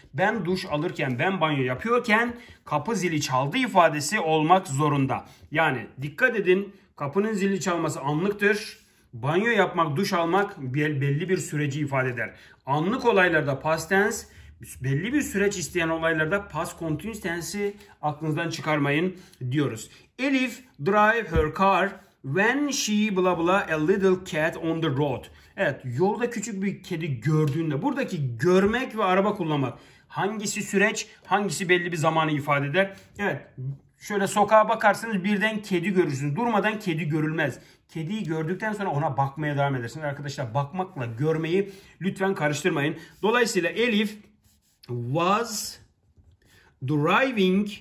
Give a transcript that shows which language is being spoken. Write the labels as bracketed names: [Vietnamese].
[Turkish] Ben duş alırken, ben banyo yapıyorken kapı zili çaldı ifadesi olmak zorunda. Yani dikkat edin. Kapının zili çalması anlıktır. Banyo yapmak, duş almak belli bir süreci ifade eder. Anlık olaylarda past tense, belli bir süreç isteyen olaylarda past continuous tense'i aklınızdan çıkarmayın diyoruz. [English] Elif drive her car when she bla bla a little cat on the road. [Turkish] Evet, yolda küçük bir kedi gördüğünde, buradaki görmek ve araba kullanmak hangisi süreç, hangisi belli bir zamanı ifade eder? Evet. Şöyle sokağa bakarsınız birden kedi görürsünüz. Durmadan kedi görülmez. Kediyi gördükten sonra ona bakmaya devam edersiniz. Arkadaşlar bakmakla görmeyi lütfen karıştırmayın. Dolayısıyla [English] Elif was driving.